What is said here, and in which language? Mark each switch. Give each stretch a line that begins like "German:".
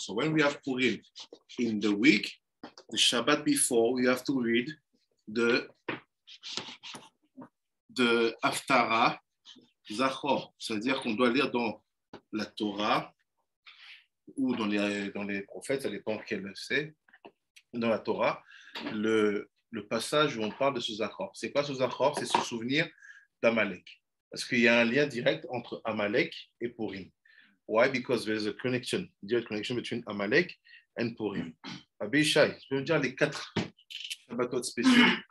English: So, when we have Pourim in the week, the Shabbat before, we have to read the Haftarah Zachor,
French: c'est-à-dire qu'on doit lire dans la Torah ou dans les prophètes, ça dépend qui le sait, dans la Torah, le passage où on parle de ce Zachor. C'est quoi ce Zachor? C'est ce souvenir d'Amalek. Parce qu'il y a un lien direct entre Amalek et Pourim.
English: Why? Because there's a connection, direct connection between Amalek and Pourim.
French: Abishai, je veux dire les quatre Shabbatot spéciaux.